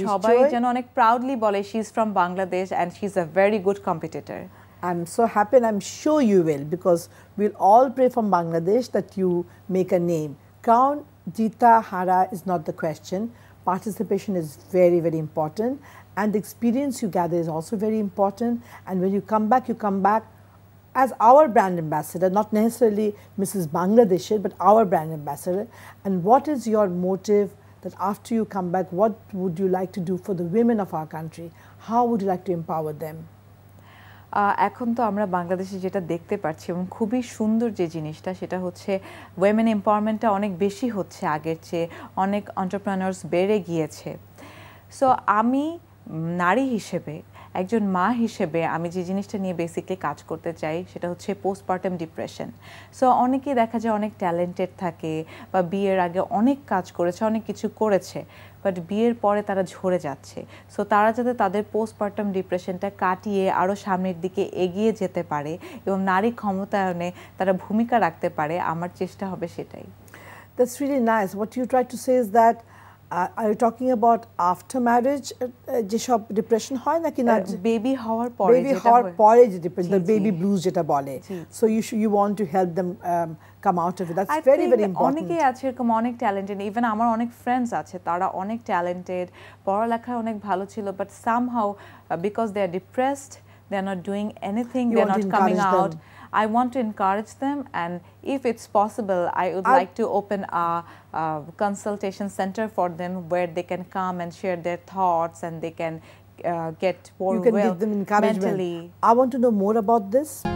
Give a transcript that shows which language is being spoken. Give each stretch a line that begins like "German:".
Bangla: সবাই যেন অনেক প্রাউডলি বলে
English: She is from Bangladesh and she is a very good competitor. I am so happy and I am sure you will, because we'll all pray from Bangladesh that you make a name.
Bangla: কারণ জিতা হারা
English: Is not the question, participation is very very important and the experience you gather is also very important. And when you come back as our brand ambassador, not necessarily Mrs. Bangladesh, but our brand ambassador. And what is your motive that after you come back, what would you like to do for the women of our country? How would you like to empower them?
Bangla: এখন তো আমরা বাংলাদেশে যেটা দেখতে পাচ্ছি এবং খুবই সুন্দর যে জিনিসটা, সেটা হচ্ছে ওয়েমেন এম্পাওয়ারমেন্টটা অনেক বেশি হচ্ছে আগের চেয়ে, অনেক এন্টারপ্রেনার্স বেড়ে গিয়েছে. সো আমি নারী হিসেবে, একজন মা হিসেবে আমি যে জিনিসটা নিয়ে বেসিকলি কাজ করতে চাই সেটা হচ্ছে পোস্টপার্টাম ডিপ্রেশন. সো অনেকেই দেখা যায় অনেক ট্যালেন্টেড থাকে বা বিয়ের আগে অনেক কাজ করেছে, অনেক কিছু করেছে, বাট বিয়ের পরে তারা ঝরে যাচ্ছে. সো তারা যাতে তাদের পোস্টপার্টাম ডিপ্রেশনটা কাটিয়ে আরও সামনের দিকে এগিয়ে যেতে পারে এবং নারী ক্ষমতায়নে তারা ভূমিকা রাখতে পারে, আমার চেষ্টা হবে সেটাই.
English: That's really nice. What you try to say is that are you talking about after marriage
Bangla: je shop depression hoy naki na baby howar pore
English: baby
Bangla: howar pore je
English: depression, the baby blues
Bangla: jeta bole,
English: so you want to help them come out of it. That's very very important.
Bangla: অনেকে আছে এরকম, অনেক talented, even আমার অনেক friends আছে, তারা অনেক talented, পড়ালেখা অনেক ভালো ছিল,
English: But somehow because they are depressed, they are not doing anything, they are not coming out. I want to encourage them, and if it's possible, I would like to open a consultation center for them where they can come and share their thoughts and they can get more well mentally. You can give them encouragement. I want to know more about this.